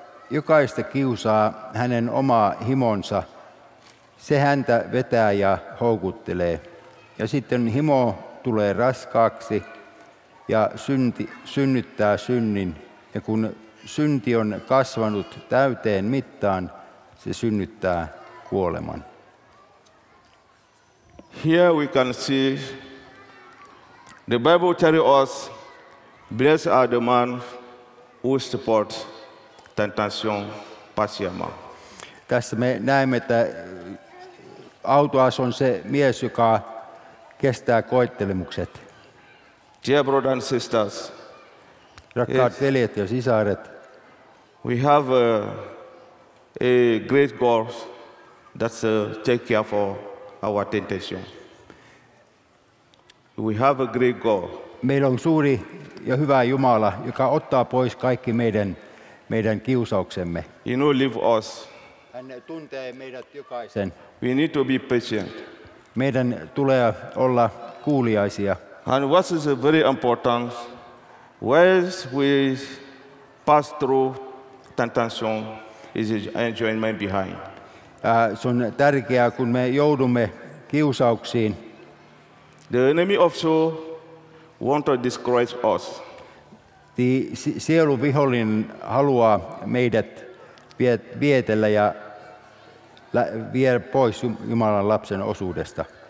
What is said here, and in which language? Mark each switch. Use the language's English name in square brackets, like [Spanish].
[Finnish] Jokaista kiusaa hänen oma himonsa. Se häntä vetää ja houkuttelee. Ja sitten himo tulee raskaaksi ja synnyttää synnin. Ja kun synti on kasvanut täyteen mittaan, se synnyttää kuoleman. [English] Here we can see the Bible tells us, blessed are the man who supports temptation patiently. [Finnish] Tässä me näemme, että autuas on se mies, joka kestää koettelemukset. [English] Dear brothers and sisters, [Finnish] rakkaat veljet ja sisaret, [English] we have a great God that takes care for our temptation. We have a great God. [Finnish] Meillä on suuri ja hyvä Jumala, joka ottaa pois kaikki meidän kiusauksemme. [English] He know leave us. [Finnish] Hän tuntee meidät jokaisen. [English] We need to be patient. [Finnish] Meidän tulee olla kuuliaisia. [English] And what is very important, whilst we pass through temptation, is enjoyment behind. [Finnish] Se on tärkeää, kun me joudumme kiusauksiin. [English] The enemy also wants to discourage us. [Finnish] The sielun vihollinen haluaa meidät vietellä ja vie pois Jumalan lapsen osuudesta.